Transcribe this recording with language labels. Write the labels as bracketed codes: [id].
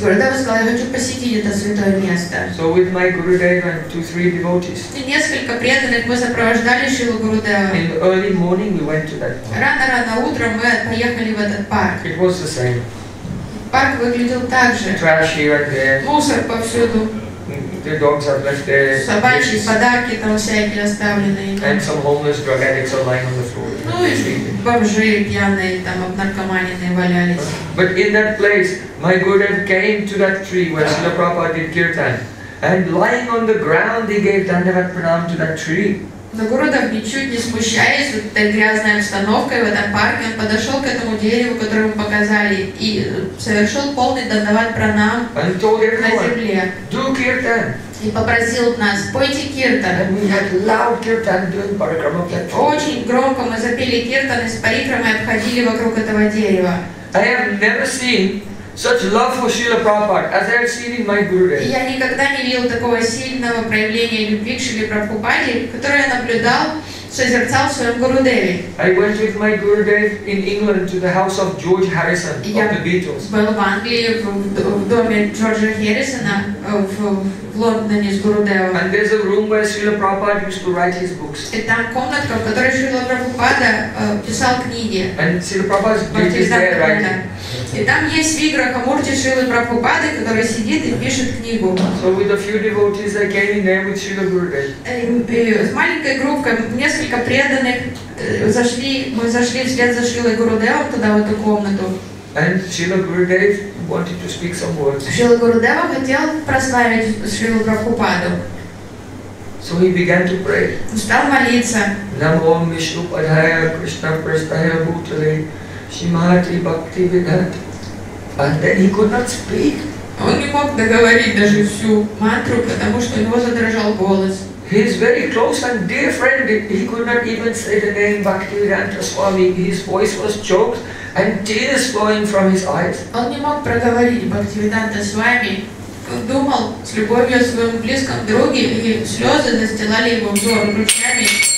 [ru] Гурудев сказал, я хочу посетить это святое место. [en] So with my Gurudev and two, three devotees. [ru] И несколько преданных мы сопровождали Шрилу Гурудева. [en] In the early morning we went to that park. [ru] Рано-рано утром мы поехали в этот парк. [en] It was the same. [ru] Парк выглядел так же. [en] Trash here and there. [ru] Мусор повсюду. [en] The dogs are left there. [ru] Собачьи подарки там всякие оставлены. [en] And some homeless drug addicts are lying on the floor. [ru] Ну и бомжи пьяные там обнаркоманенные валялись. [en] But in that place, my Gurudev came to that tree where Srila Prabhupada did kirtan, and lying on the ground, he gave dandavat pranam to that tree. [ru] Но Гурудев, ничуть не смущаясь вот этой грязной обстановкой в этом парке, он подошел к этому дереву, которое мы показали, и совершил полный дандават пранам на земле. [en] Do kirtan. [ru] И попросил нас, пойте киртан. [en] And we had loud kirtan doing parikrama of that tree. [ru] Очень громко мы запели киртан из парикрамы и обходили вокруг этого дерева. [en] I have never seen such love for Srila Prabhupada as I have seen in my Gurudev. [ru] Я никогда не видел такого сильного проявления любви к Шриле Прабхупаде, которое я наблюдал, созерцал в своем Гурудеве. [en] I went with my Gurudev in England to the house of George Harrison of the Beatles. [ru] Я был в Англии в доме Джорджа Харрисона в Лондоне с Гурудевом. [en] And there's a room where Srila Prabhupada used to write his books. [ru] И там комнатка, в которой Шрила Прабхупада писал книги. [en] And Srila Prabhupada's book is there writing. [ru] И там есть Виграхамурти Шрилы Прабхупады, который сидит и пишет книгу. [en] So with a few devotees I came in there with Srila Gurudev. [ru] С маленькой группой, несколько преданных, мы зашли вслед за Шрилой Гурудевом туда, в эту комнату. [en] And Srila Gurudev wanted to speak some words. [ru] Шрила Гурудева хотел прославить Шрилу Прабхупаду. [en] So he began to pray. [ru] Стал молиться. [sa] Namo Om Vishnu Padaya Krishna Prasthaya Bhutale Shimati Bhakti Vidhat. [en] And then he could not speak. [ru] Он не мог договорить даже всю мантру, потому что у него задрожал голос. [en] His very close and dear friend, he could not even say the name Bhaktivedanta Swami. His voice was choked and tears flowing from his eyes. [ru] Он не мог проговорить Бхактивиданта Свами. Он думал с любовью о своем близком друге, и слезы застилали его взор ручьями.